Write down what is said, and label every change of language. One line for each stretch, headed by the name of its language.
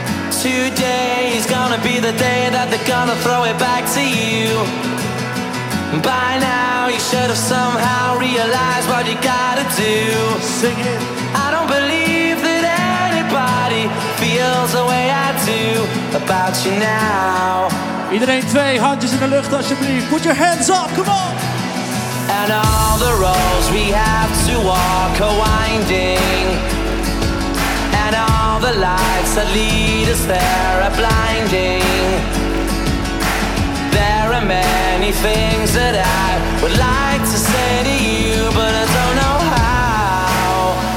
English: Today is gonna be the day that they're gonna throw it back to you. By now you should have somehow realized what you gotta do. Sing it. I don't believe that anybody feels the way I do about you now.
Dutch: Iedereen twee handjes in de lucht alsjeblieft.
English: Put your hands up, come on. And all the roads we have to walk are winding, and all the lights that lead us there are blinding. There are many things that I would like to say to you, but I don't know how.